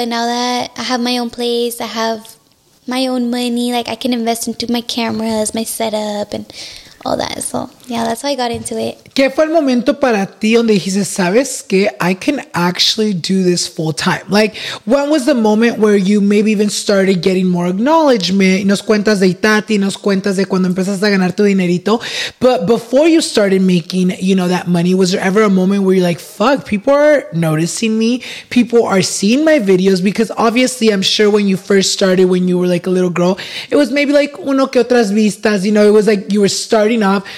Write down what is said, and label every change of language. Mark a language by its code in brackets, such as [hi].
[en] But now that I have my own place, I have my own money, like I can invest into my cameras, my setup and all that. So yeah, that's how I got into it. [es] ¿Qué fue el momento para ti donde dijiste, sabes que [en] I can actually do this full time? Like, when was the moment where you maybe even started getting more acknowledgement? [es] Nos cuentas de Itati, nos cuentas de cuando empezaste a ganar tu dinerito. [en] But before you started making, you know, that money, was there ever a moment where you're like, fuck, people are noticing me, people are seeing my videos? Because obviously, I'm sure when you first started, when you were like a little girl, it was maybe like [es] uno que otras vistas, [en] you know, it was like you were starting off.